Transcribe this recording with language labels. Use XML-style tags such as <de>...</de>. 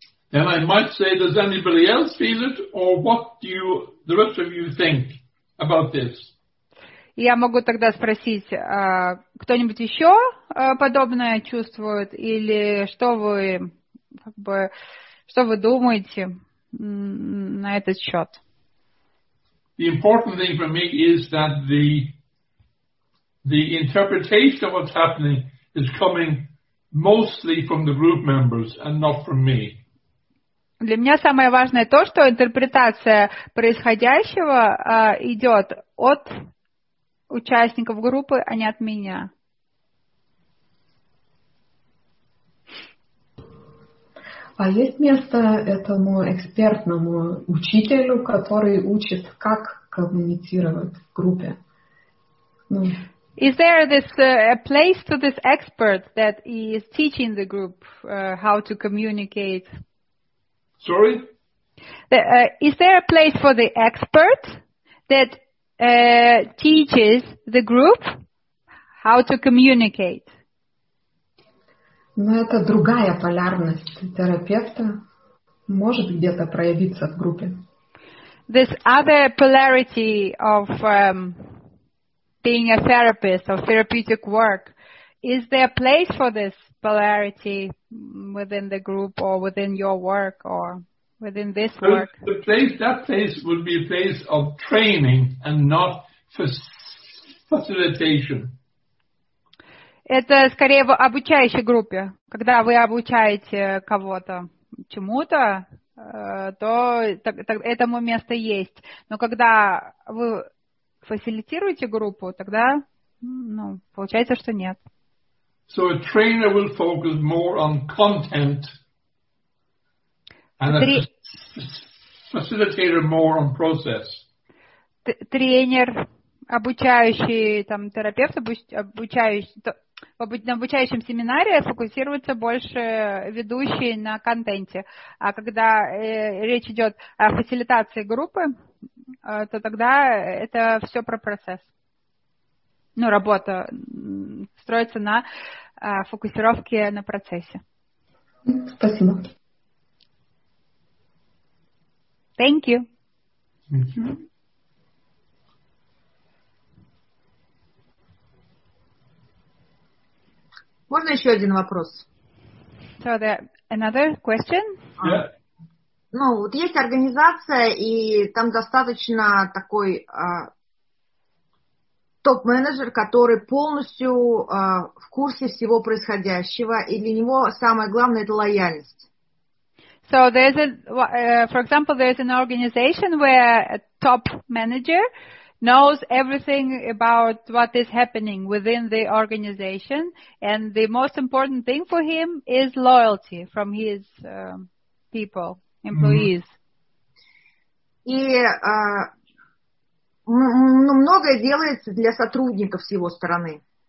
<en>Then I might say, does anybody else feel it, or what do you, the rest of you think about this?</en> <ru>Я могу тогда спросить, кто-нибудь еще подобное чувствует, или что вы, как бы... Что вы думаете на этот счет?</ru> <en>The important thing for me is that the interpretation of what's happening is coming mostly from the group members and not from me.</en> <ru>Для меня самое важное то, что интерпретация происходящего идет от участников группы, а не от меня. А есть место этому экспертному учителю, который учит, как коммуницировать в группе? Ну.</ru> <en>Is there this a place to this expert that is teaching the group how to communicate? Sorry? Is there a place for the expert that teaches the group how to communicate?</en> <ru>Но это другая полярность терапевта может где-то проявиться в группе.</ru> <en>This other polarity of being a therapist or therapeutic work, is there a place for this polarity within the group or within your work or within this work? The place, that place would be a place of training and not facilitation.</en> <ru>Это скорее в обучающей группе. Когда вы обучаете кого-то чему-то, то этому место есть. Но когда вы фасилитируете группу, тогда ну, получается, что нет.</ru> <en>So a trainer will focus more on content and a facilitator more on process.</en> <ru>Тренер, обучающий там, терапевт, обучающий... На обучающем семинаре фокусируется больше ведущий на контенте. А когда речь идет о фасилитации группы, то тогда это все про процесс. Ну, работа строится на фокусировке на процессе. Спасибо.</ru> <en>Thank you.</en> <ru>Можно еще один вопрос?</ru> <en>So there another question? Yeah.</en> <ru>Ну, вот есть организация, и там достаточно такой топ-менеджер, который полностью в курсе всего происходящего, и для него самое главное – это лояльность.</ru> <en>So there's a, for example, there's an organization where a top manager knows everything about what is happening within the organization, and the most important thing for him is loyalty from his people, employees.</en> <ru>И многое делается для сотрудников с его стороны.</ru>